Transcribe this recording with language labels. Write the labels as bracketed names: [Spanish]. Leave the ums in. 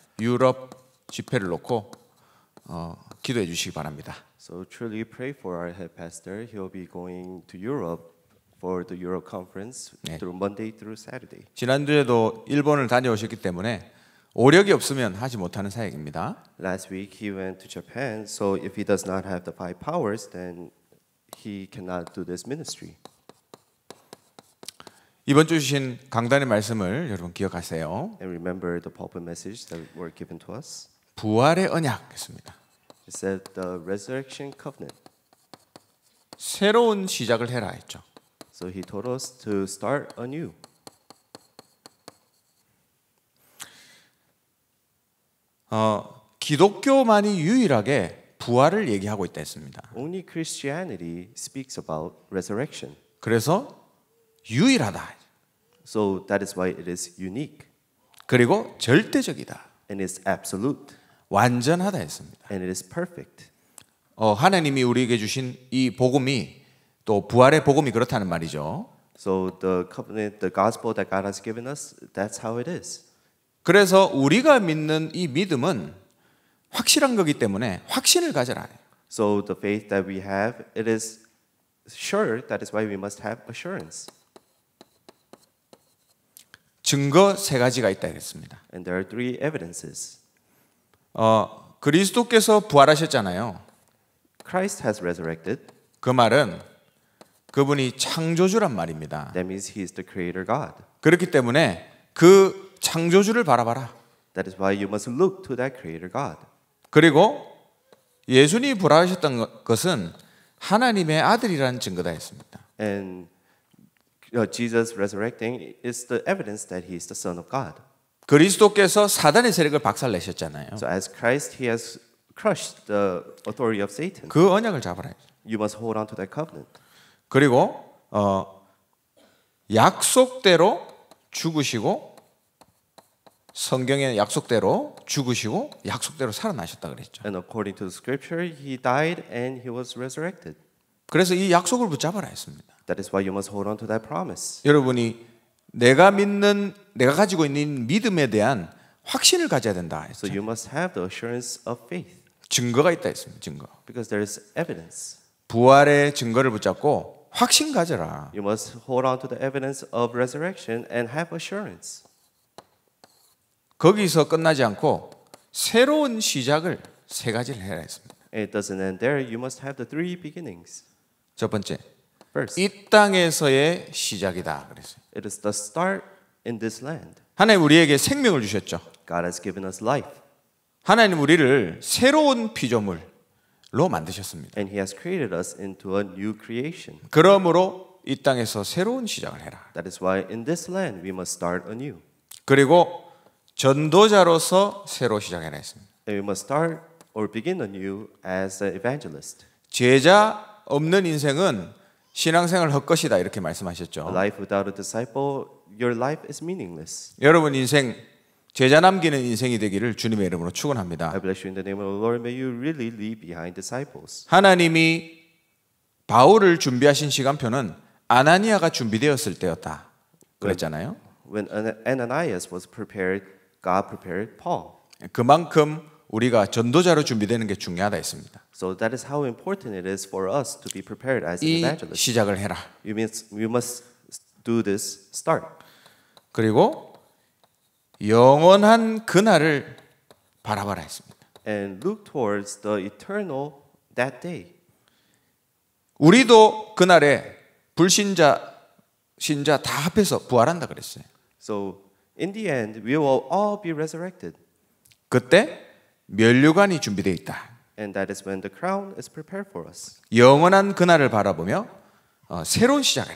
[Korean] 유럽 집회를 놓고 어, 기도해 주시기 바랍니다. [English] So truly pray for our head pastor. He'll be going to Europe for the Europe conference through Monday through Saturday. [Korean] 지난주에도 일본을 다녀오셨기 때문에 오력이 없으면 하지 못하는 사역입니다. [English] Last week he went to Japan. So if he does not have the five powers, then he cannot do this ministry. [Korean] 이번 주 주신 강단의 말씀을 여러분 기억하세요. [English] And remember the pulpit message that were given to us. [Korean] 부활의 언약입니다. [English] It said the resurrection covenant. [Korean] 새로운 시작을 해라 했죠. [English] So he told us to start anew. [Korean] 어, 기독교만이 유일하게 부활을 얘기하고 있다 했습니다. [English] Only Christianity speaks about resurrection. [Korean] 그래서 유일하다. [English] So that is why it is unique. [Korean] 그리고 절대적이다. [English] And it's absolute. [Korean] 완전하다 했습니다. [English] And it is perfect. [Korean] 어, 하나님이 우리에게 주신 이 복음이 또 부활의 복음이 그렇다는 말이죠. [English] So the covenant, the gospel that God has given us, that's how it is. [Korean] 그래서 우리가 믿는 이 믿음은 확실한 거기 때문에 확신을 가져라. [English] So the faith that we have, it is sure. That is why we must have assurance. [Korean] 증거 세 가지가 있다 그랬습니다. [English] And there are three evidences. [Korean] 어, 그리스도께서 부활하셨잖아요. [English] Christ has resurrected. [Korean] 그 말은 그분이 창조주란 말입니다. [English] That means he is the creator God. [Korean] 그렇기 때문에 그 창조주를 바라봐라. [English] That is why you must look to that creator God. [Korean] 그리고 예수님이 부활하셨던 것은 하나님의 아들이라는 증거다 했습니다. [English] And Jesus resurrecting is the evidence that he is the son of God. [Korean] 그리스도께서 사단의 세력을 박살 내셨잖아요. [English] So as Christ he has crushed the authority of Satan. [Korean] 그 언약을 잡아라. [English] You must hold on to that covenant. [Korean] 그리고 어 약속대로 죽으시고 성경의 약속대로 죽으시고 약속대로 살아나셨다 그랬죠. [English] And according to the scripture he died and he was resurrected. [Korean] 그래서 이 약속을 붙잡아라 했습니다. [English] That is why you must hold on to that promise. [Korean] 여러분이 내가 믿는 내가 가지고 있는 믿음에 대한 확신을 가져야 된다. 했죠. [English] So you must have the assurance of faith. [Korean] 증거가 있다 했습니다. 증거. [English] Because there is evidence. [Korean] 부활의 증거를 붙잡고 확신 가져라. [English] You must hold on to the evidence of resurrection and have assurance. [Korean] 거기서 끝나지 않고 새로운 시작을 세 가지를 해야 했습니다. [English] It doesn't end there. You must have the three beginnings. [Korean] 첫 번째, [English] first. [Korean] 이 땅에서의 시작이다 그랬어요. [English] It is the start in this land. [Korean] 하나님 우리에게 생명을 주셨죠. [English] God has given us life. [Korean] 하나님 우리를 새로운 피조물로 만드셨습니다. [English] And he has created us into a new creation. [Korean] 그러므로 이 땅에서 새로운 시작을 해라. [English] That is why in this land we must start anew. [Korean] 그리고 전도자로서 새로 시작해 냈습니다. [English] We must start or begin anew as an evangelist. [Korean] 제자 없는 인생은 신앙생활 헛것이다 이렇게 말씀하셨죠. [English] Life without a disciple, your life is meaningless. [Korean] 여러분 인생 제자 남기는 인생이 되기를 주님의 이름으로 축원합니다. [English] I bless you in the name of the Lord. May you really leave behind disciples. [Korean] 하나님이 바울을 준비하신 시간표는 아나니아가 준비되었을 때였다. 그랬잖아요. [English] When Ananias was prepared, God prepared Paul. [Korean] 그만큼 우리가 전도자로 준비되는 게 중요하다 했습니다. [English] So that is how important it is for us to be prepared as evangelists. [Korean] 시작을 해라. [English] You must you must do this start. [Korean] 그리고 영원한 그날을 바라보라 했습니다. [English] And look towards the eternal that day. [Korean] 우리도 그날에 불신자 신자 다 합해서 부활한다 그랬어요. [English] So in the end we will all be resurrected. [Korean] 그때 면류관이 준비되어 있다. [English] And that is when the crown is prepared for us. [Korean] 영원한 그날을 바라보며 어, 새로운 시작을